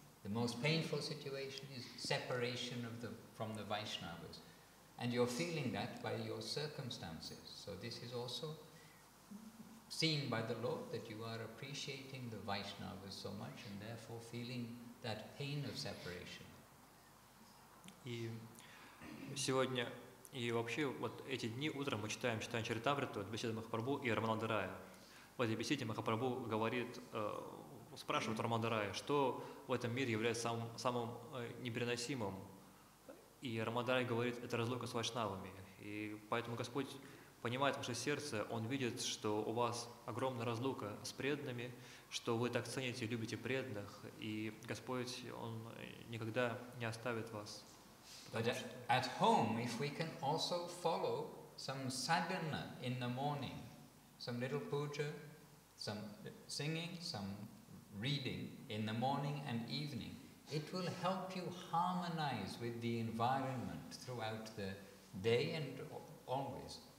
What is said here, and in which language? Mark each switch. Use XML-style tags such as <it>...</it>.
<en>The most painful situation is separation of the from the Vaishnavas, and you're feeling that by your circumstances. So this is also seen by the Lord, that you are appreciating the Vaishnavas so much and therefore feeling that pain of separation.</en> <ru>И сегодня, и вообще, вот эти дни утром мы читаем Чайтанья Чаритамриту, беседу Махапрабху и Рамананда Рая. В этой беседе Махапрабху говорит, спрашивает Рамананда Рая, что в этом мире является самым непереносимым. И Рамананда Рая говорит, это разлука с Вайшнавами. И поэтому Господь понимает ваше сердце, Он видит, что у вас огромная разлука с преданными, что вы так цените и любите преданных, и Господь, Он никогда не оставит вас.</ru> <en>But at home, if we can also follow some sadhana in the morning, some little puja, some singing, some reading in the morning and evening, it will help you harmonize with the environment throughout the day and always.</en>